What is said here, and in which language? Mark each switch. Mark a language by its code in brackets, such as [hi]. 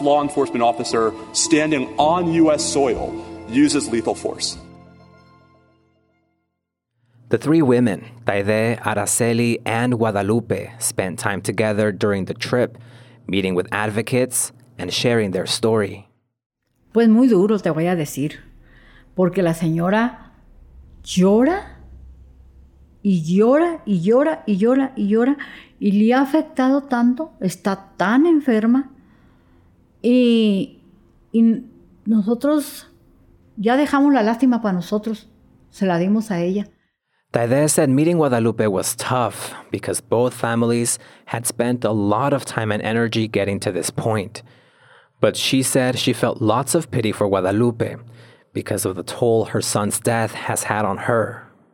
[en] law enforcement officer standing on U.S. soil uses lethal force. The three women, Taide, Araceli, and Guadalupe, spent time together during the trip, meeting with advocates and sharing their story. [es] Pues muy duro, te voy a decir, porque la señora llora y llora y llora y llora y llora y le ha afectado tanto, está tan enferma y nosotros ya dejamos la lástima para nosotros, se la dimos a ella. [en] Taide said meeting Guadalupe was tough because both families had spent a lot of time and energy getting to this point. But she said she felt lots of pity for Guadalupe because of the toll her son's death has had on her.